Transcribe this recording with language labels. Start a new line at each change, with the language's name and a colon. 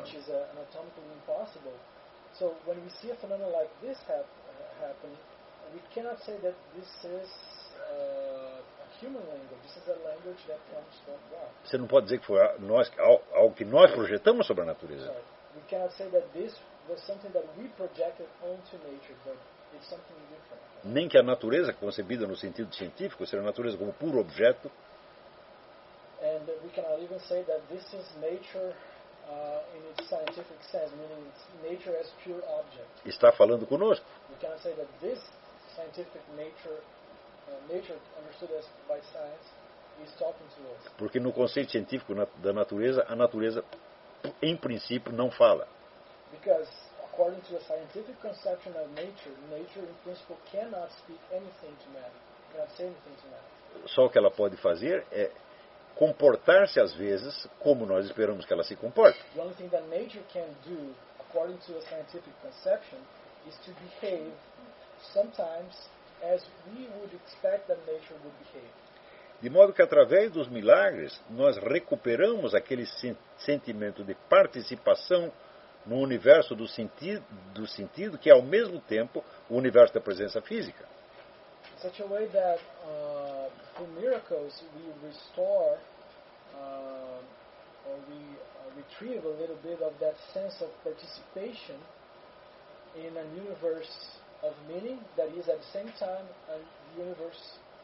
English: Which is anatomically impossible. So when we see a phenomenon like this happen, we cannot say that this is a human language. This is a language that comes from God.
Portuguese: Você não pode dizer que foi nós, algo que nós projetamos sobre a natureza.
English: We cannot say that this was something that we projected onto nature, but it's something different.
Portuguese: Nem que a natureza concebida no sentido científico seja a natureza como puro objeto.
English: And we cannot even say that this is nature in its scientific sense, meaning it's nature as pure object.
Portuguese: Está falando conosco.
English: We cannot say that this scientific nature, nature understood as by science, is talking to us.
Portuguese: Porque no conceito científico da natureza, a natureza em princípio não fala.
English: Because according to a scientific conception of nature, nature in principle cannot speak anything to matter, cannot say anything to matter.
Portuguese: Só o que ela pode fazer é comportar-se às vezes como nós esperamos que ela se comporte.
English: The only thing that nature can do, according to a scientific conception, is to behave sometimes as we would expect that nature would behave.
Portuguese: De modo que, através dos milagres, nós recuperamos aquele sentimento de participação no universo do sentido que é, ao mesmo tempo, o universo da presença física.
English: In such a way that, through miracles, we restore, or we retrieve a little bit of that sense of participation in an universe of meaning that is, at the same time, a universe